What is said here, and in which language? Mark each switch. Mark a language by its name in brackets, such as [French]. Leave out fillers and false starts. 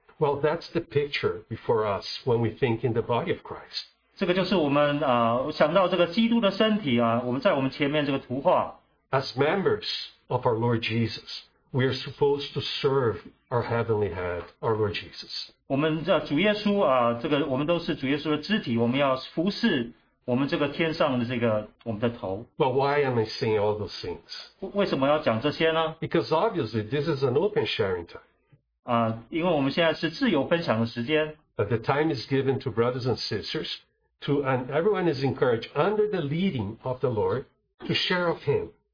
[English] Well, that's the picture before us when we think in the body of Christ. [Chinese] 这个就是我们想到这个基督的身体,我们在我们前面这个图画。 [English] As members of our Lord Jesus, we are supposed to serve our heavenly head, our Lord Jesus. [Chinese] 我们主耶稣,我们都是主耶稣的肢体,我们要服侍我们这个天上的这个,我们的头。 [English] But why am I saying all those things? [Chinese] 为什么要讲这些呢? [English] Because obviously this is an open sharing time. [Chinese] 因为我们现在是自由分享的时间。 [English] But the time is given to brothers and sisters, and everyone is encouraged under the leading of the Lord to share of Him.